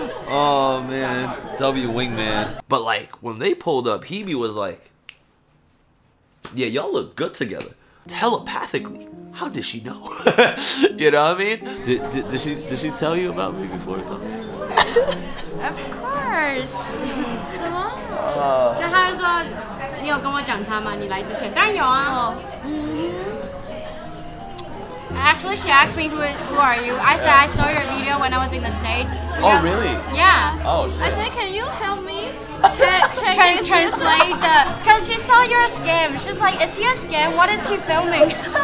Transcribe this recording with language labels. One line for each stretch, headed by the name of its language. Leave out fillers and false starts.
English: Oh man, W wingman. But like, when they pulled up, Hebe was like, yeah, y'all look good together. Telepathically, how did she know? You know what I mean? Did she tell you about me before coming? Of course.
Chinese: 什么？就他就说你有跟我讲他吗？你来之前当然有啊。嗯。
English: Actually, she asked me who are you. I said I saw your video when I was in the States. Oh really? Yeah. Oh shit. I said, can you help me translate the? Cause she saw your scam. She's like, is he a scam? What is he filming?